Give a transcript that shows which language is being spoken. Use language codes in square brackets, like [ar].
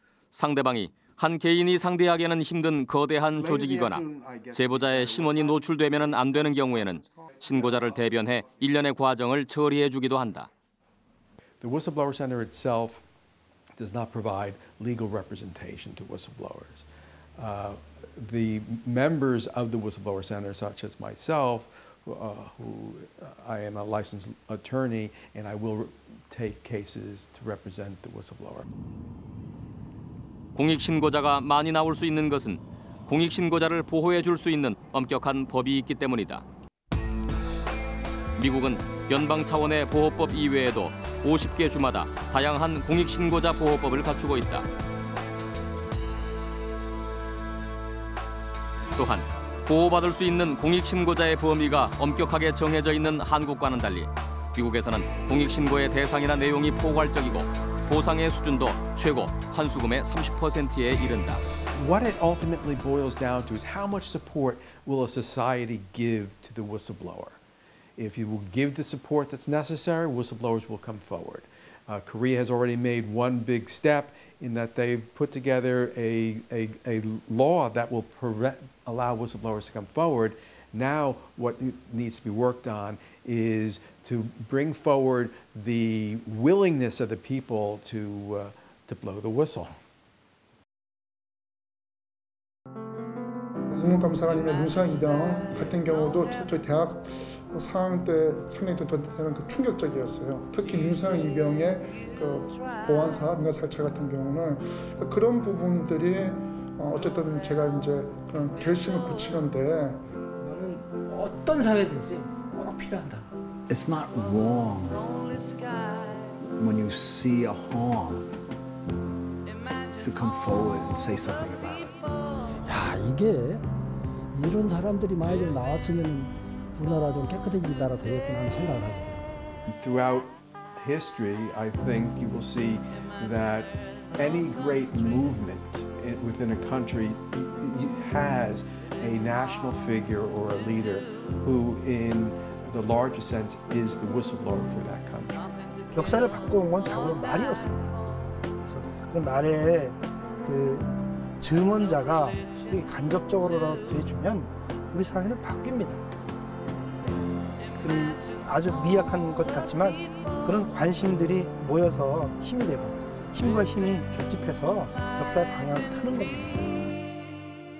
[ko] 상대방이 한 개인이 상대하기에는 힘든 거대한 조직이거나 제보자의 신원이 노출되면 안 되는 경우에는 신고자를 대변해 일련의 과정을 처리해 주기도 한다. [en] The whistleblower center itself does not provide legal representation to whistleblowers. The members of the whistleblower center, such as myself, who I am a licensed attorney, and I will take cases to represent the whistleblower. [ko] 공익신고자가 많이 나올 수 있는 것은 공익신고자를 보호해 줄 수 있는 엄격한 법이 있기 때문이다. 미국은 연방 차원의 보호법 이외에도 50개 주마다 다양한 공익신고자 보호법을 갖추고 있다. 또한 보호받을 수 있는 공익신고자의 범위가 엄격하게 정해져 있는 한국과는 달리 미국에서는 공익신고의 대상이나 내용이 포괄적이고 보상의 수준도 최고 환수금의 30%에 이른다. [en] What it ultimately boils down to is how much support will a society give to the whistleblower. If you will give the support that's necessary, whistleblowers will come forward. Korea has already made one big step in that they've put together a law that will allow whistleblowers to come forward. Now what needs to be worked on is to bring forward the willingness of the people to blow the whistle. [ko] 국무 감사관님의 무사 입양 같은 경우도 저 대학 4학년 때 상당히 저한테는 그 충격적이었어요. 특히 무사 입양의 그 보안사 민간사찰 같은 경우는 그런 부분들이 어쨌든 제가 이제 그런 결심을 굳히는데 어떤 사회든지 꼭 필요한다. [en] It's not wrong When you see a harm, to come forward and say something about it. [ko] 야, 이게 이런 사람들이 많이 좀 나왔으면 우리나라 좀 깨끗해진 나라 되겠구나 하는 생각을 하게 돼요. [en] Throughout history, I think you will see that any great movement within a country has a national figure or a leader who, in the larger sense, is the whistleblower for that country. [ko] 역사를 바꾸는 건 결국 말이었습니다. 그래서 그 말에 그 증언자가 간접적으로 돼주면 우리 사회는 바뀝니다. 우리 아주 미약한 것 같지만 그런 관심들이 모여서 힘이 되고 힘과 힘이 결집해서 역사의 방향을 펴는 겁니다.